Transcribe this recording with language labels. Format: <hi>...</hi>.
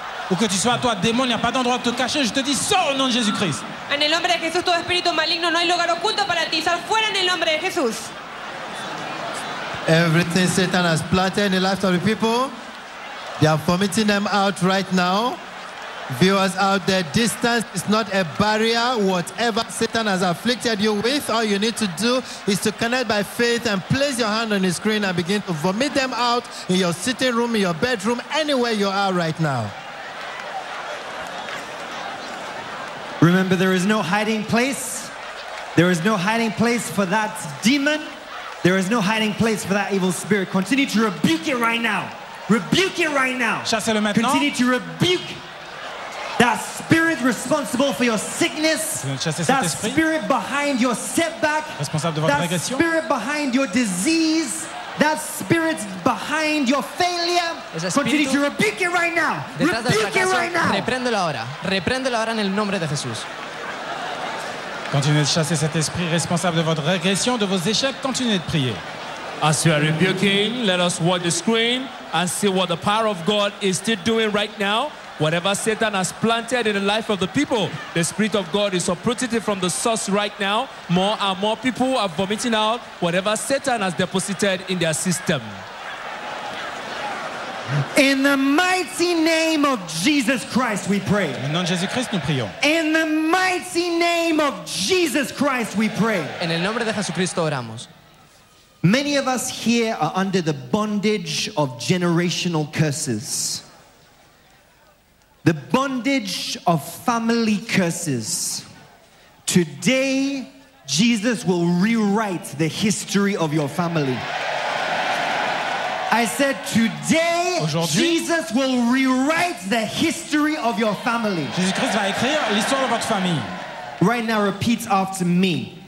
<fr>Où que tu sois, toi, démon, il n'y a pas d'endroit où te cacher. Je te dis, sors au nom de Jésus-Christ.</fr> <es>En el nombre de Jesús, todo espíritu maligno, no hay lugar oculto para ti. Sal fuera en el nombre de Jesús.</es> <en>Everything Satan has planted in the lives of the people, they are vomiting them out right now. Viewers out there, distance is not a barrier. Whatever Satan has afflicted you with, all you need to do is to connect by faith and place your hand on the screen and begin to vomit them out in your sitting room, in your bedroom, anywhere you are right now. Remember, there is no hiding place. There is no hiding place for that demon. There is no hiding place for that evil spirit. Continue to rebuke it right now. Rebuke it right now.</en> <fr>Chassez-le maintenant.</fr> <en>Continue to rebuke that spirit responsible for your sickness. That spirit behind your setback.</en> <fr>Responsable de votre</fr> <en>that</en> <fr>régression.</fr> <en>Spirit behind your disease. That spirit behind your failure, continue to rebuke it right now. Rebuke it right now.</en> <es>Repréndelo ahora. Repréndelo ahora en el nombre de Jesús.</es> <fr>Continuez de chasser cet esprit responsable de votre régression, de vos échecs. Continuez de prier.</fr> <en>As you are rebuking, let us watch the screen and see what the power of God is still doing right now. Whatever Satan has planted in the life of the people, the Spirit of God is uprooting it from the source right now. More and more people are vomiting out whatever Satan has deposited in their system. In the mighty name of Jesus Christ, we pray.</en> <fr>En nom de Jésus Christ, nous prions.</fr> <en>In the mighty name of Jesus Christ, we pray.</en> <es>En el nombre de Jesucristo oramos.</es> <en>Many of us here are under the bondage of generational curses. The bondage of family curses. Today, Jesus will rewrite the history of your family. I said today, Jesus will rewrite the history of your family.</en> <fr>Jésus-Christ va écrire l'histoire de votre famille.</fr> <en>Right now, repeat after me.</en>